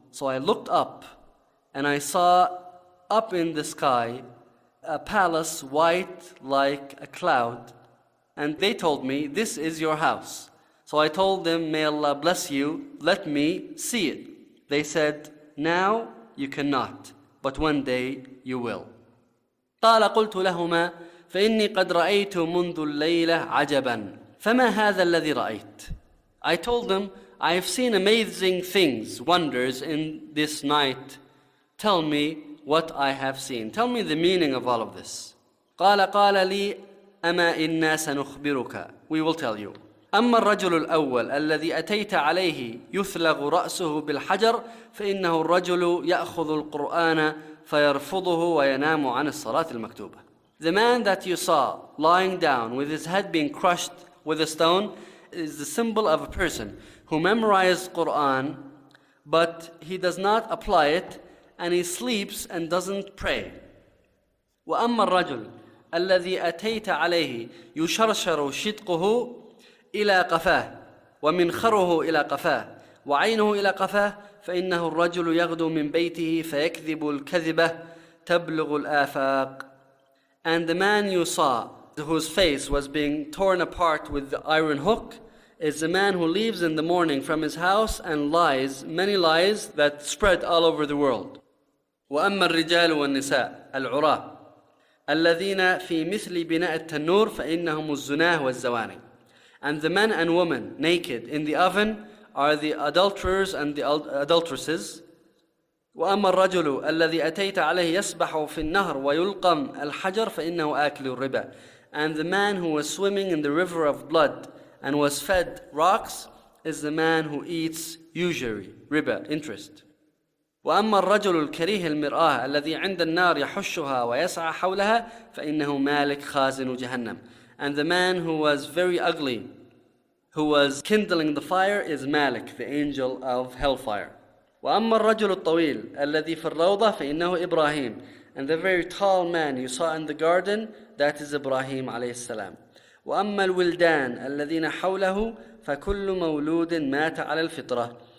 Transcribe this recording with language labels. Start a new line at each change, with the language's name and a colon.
English: So I looked up, and I saw up in the sky a palace white like a cloud. And they told me, this is your house. So I told them, may Allah bless you, let me see it. They said, now you cannot, but one day you will.
Arabic: قال قلت لهما فإني قد رأيت منذ الليلة عجبا فما هذا الذي رأيت.
English: I told them, I've seen amazing things, wonders in this night. Tell me what I have seen. Tell me the meaning of all of this.
Arabic: قال لي أما إنا سنخبرك.
English: We will tell you.
Arabic: أما الرجل الأول الذي أتيت عليه يثلغ رأسه بالحجر فإنه الرجل يأخذ القرآن فيرفضه وينام عن الصلاة المكتوبة.
English: The man that you saw lying down with his head being crushed with a stone is the symbol of a person who memorized Quran, but he does not apply it and he sleeps and doesn't pray.
Arabic: وأما الرجل الذي أتيت عليه يشرشر شدقه إلى قفاه ومنخره إلى قفاه وعينه إلى قفاه فإنه الرجل يغدو من بيته فيكذب الكذبة تبلغ الآفاق.
English: And the man you saw whose face was being torn apart with the iron hook is the man who leaves in the morning from his house and lies, many lies that spread all over the world.
Arabic: وأما الرجال والنساء العراة الذين في مثل بناء التنور فإنهم الزناة والزواني.
English: And the men and women naked in the oven are the adulterers and the adulteresses.
Arabic: وأما الرجل الذي أتيت عليه يسبح في النهر ويلقم الحجر فإنه آكل الربا.
English: And the man who was swimming in the river of blood and was fed rocks is the man who eats usury, riba, interest.
Arabic: وأما الرجل الكريه المرآة الذي عند النار يحشها ويسعى حولها فإنه مالك خازن جهنم.
English: And the man who was very ugly, who was kindling the fire is Malik, the angel of hellfire.
Arabic: وَأَمَّا الرَّجُلُ الطَّوِيلُ الَّذِي فِي الرَّوْضَةِ فَإِنَّهُ إِبْرَاهِيمُ.
English: And the very tall man you saw in the garden, that is Ibrahim عليه السلام.
Arabic: وَأَمَّا الْوِلْدَانِ الَّذِينَ حَوْلَهُ فَكُلُّ مَوْلُودٍ مَاتَ عَلَى الْفِطْرَةِ.